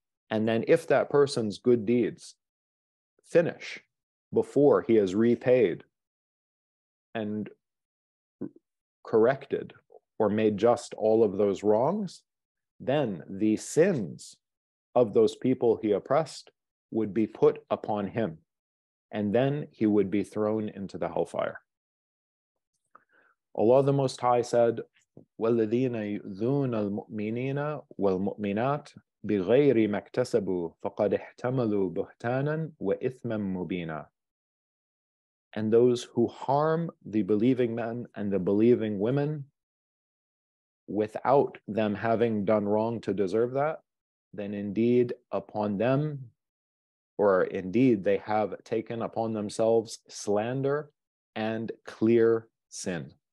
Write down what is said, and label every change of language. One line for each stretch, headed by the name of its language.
English: And then if that person's good deeds finish before he has repaid and corrected or made just all of those wrongs, then the sins of those people he oppressed would be put upon him, and then he would be thrown into the hellfire. Allah the Most High said,
Arabic: وَالَّذِينَ يُؤْذُونَ الْمُؤْمِنِينَ وَالْمُؤْمِنَاتِ بِغَيْرِ مَا اكْتَسَبُوا فَقَدْ احْتَمَلُوا بُهْتَانًا وَإِثْمًا مُبِينًا.
English: And those who harm the believing men and the believing women without them having done wrong to deserve that, then indeed upon them, or indeed they have taken upon themselves slander and clear sin.